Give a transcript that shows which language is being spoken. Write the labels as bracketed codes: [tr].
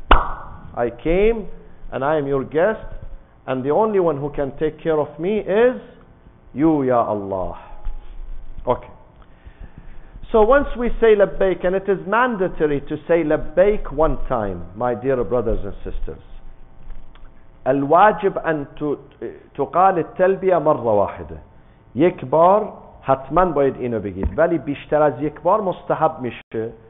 [en] I came and I am your guest, and the only one who can take care of me is you, Ya Allah. Okay. So once we say Labbaik, and it is mandatory to say Labbaik one time, my dear brothers and sisters. [ar] الواجب أن تقال التلبية مرة واحدة. [fa] یک بار حتما باید اینو بگید. ولی بیشتر از یک بار مستحب میشه.